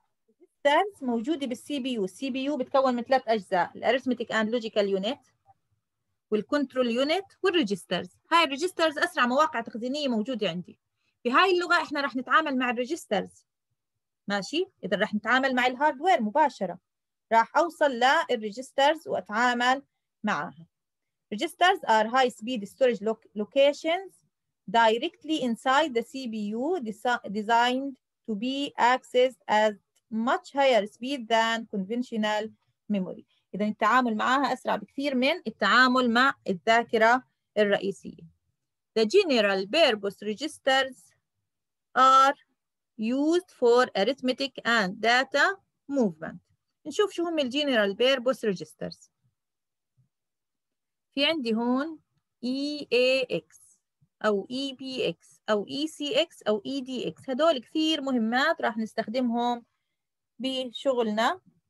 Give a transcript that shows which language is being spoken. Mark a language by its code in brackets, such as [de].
[ar] الريجسترز موجوده بالسي بي يو. السي بي يو بتكون من ثلاث اجزاء: الارثمتيك اند لوجيكال يونت والكنترول يونت والريجسترز. هاي الريجسترز اسرع مواقع تخزينيه موجوده عندي. في هاي اللغه احنا راح نتعامل مع الريجسترز، ماشي؟ اذا راح نتعامل مع الهاردوير مباشره، راح اوصل للريجسترز واتعامل معها. [en] Registers are high speed storage locations directly inside the CPU designed to be accessed at much higher speed than conventional memory. [ar] اذا التعامل معها اسرع بكثير من التعامل مع الذاكره الرئيسيه. [en] The general purpose registers are used for arithmetic and data movement. [ar] نشوف شو هم الجنرال بيربوس ريجسترز. في عندي هون EAX أو EBX أو ECX أو EDX، هدول كثير مهمات راح نستخدمهم بشغلنا.